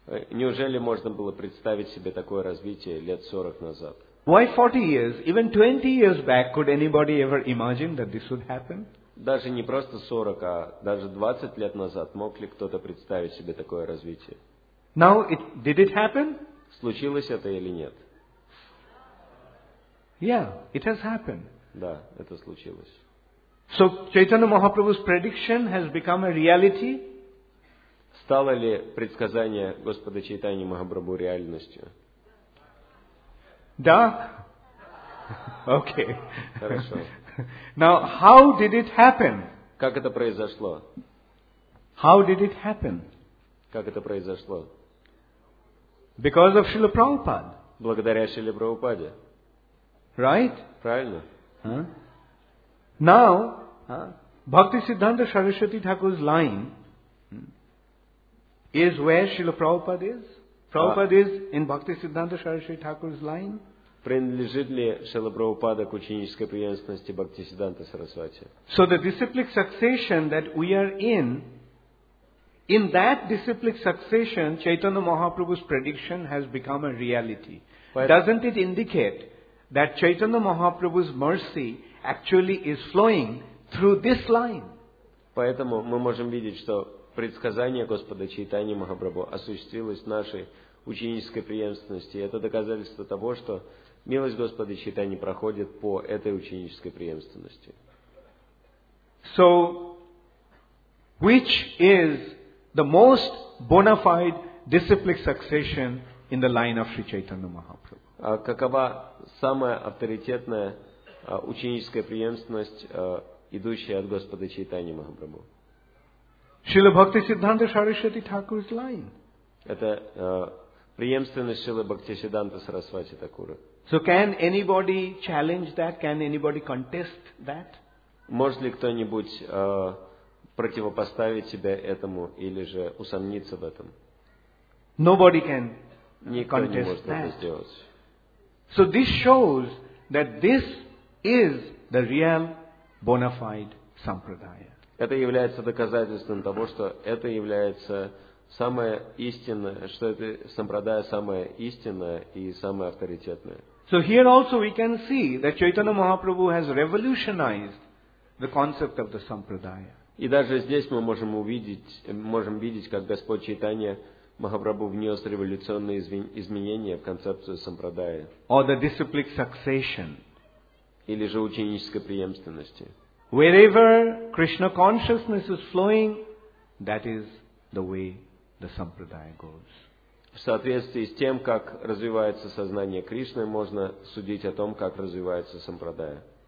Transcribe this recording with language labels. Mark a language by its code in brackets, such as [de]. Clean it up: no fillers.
[ru] Неужели можно было представить себе такое развитие лет 40 назад? [en] Why 40 years? Even 20 years back, could anybody ever imagine that this would happen? [ru] Даже не просто 40, а даже 20 лет назад мог ли кто-то представить себе такое развитие? [en] Now, did it happen? [ru] Случилось это или нет? [en] Yeah, it has happened. [ru] Да, это случилось. [en] So, Chaitanya Mahaprabhu's prediction has become a reality? [ru] Стало ли предсказание Господа Чайтаньи Махапрабху реальностью? Да. Окей. Хорошо. [en] Now, how did it happen? [ru] Как это произошло? [en] How did it happen? [ru] Как это произошло? [en] Because of Srila Prabhupada. [ru] Благодаря Шриле Прабхупаде. [en] Right? [ru] Правильно. [en] Now, Bhakti Siddhanta Saraswati Thakur's line is where Srila Prabhupada is. Prabhupada is in Bhakti Siddhanta Saraswati Thakur's line. [ru] Принадлежит ли Шрила Прабхупада к ученической преемственности Бхакти Сиддханта Сарасвати? [en] So the disciplic succession that we are in that disciplic succession, Chaitanya Mahaprabhu's prediction has become a reality. Doesn't it indicate that Chaitanya Mahaprabhu's mercy actually is flowing through this line? [ru] Поэтому мы можем видеть, что предсказание Господа Чайтаньи Махапрабху осуществилось в нашей ученической преемственности. Это доказательство того, что милость Господа Чайтаньи проходит по этой ученической преемственности. [en] So, which is the most bona fide disciplic succession in the line of Sri Chaitanya Mahaprabhu? [ru] Какова самая авторитетная ученическая преемственность, идущая от Господа Чайтаньи Махапрабху? [en] Шрила Бхакти Сиддханта Сарасвати Тхакур's line. [ru] Это преемственность Шрилы Бхактисиддханта Сарасвати Такура. [en] So can anybody challenge that? Can anybody contest that? [ru] Может ли кто-нибудь противопоставить себя этому или же усомниться в этом? [en] Nobody can contest that. [ru] Никто не может это сделать. [en] So this shows that this is the real bona fide sampradaya. [ru] Это является доказательством того, что это является самое истинное, что это сампрадая самое истинное и самое авторитетное. [en] So here also we can see that Chaitanya Mahaprabhu has revolutionized the concept of the sampradaya. [ru] И даже здесь мы можем увидеть, можем видеть, как Господь Чайтанья Махапрабху внес революционные изменения в концепцию сампрадая. [en] Or the disciplic succession. [ru] Или же ученической преемственности. [en] Wherever Krishna consciousness is flowing, that is the way the sampradaya goes. [ru] В соответствии с тем, как развивается сознание Кришны, можно судить о том, как развивается сампрадая.